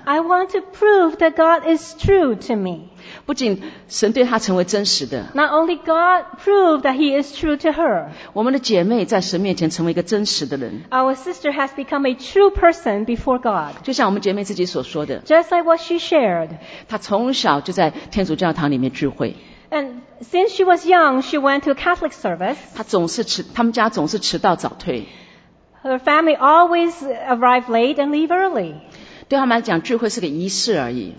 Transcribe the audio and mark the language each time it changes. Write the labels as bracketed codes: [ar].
[en] I want to prove that God is true to me. [zh] 不仅神对他成为真实的 [en] Not only God proved that he is true to her [zh] 我们的姐妹在神面前成为一个真实的人 [en] Our sister has become a true person before God [zh] 就像我们姐妹自己所说的 [en] Just like what she shared [zh] 她从小就在天主教堂里面聚会 [en] And since she was young, she went to a Catholic service [zh] 他们家总是迟到早退 [en] Her family always arrived late and leave early [zh] 对他们来讲，聚会是个仪式而已。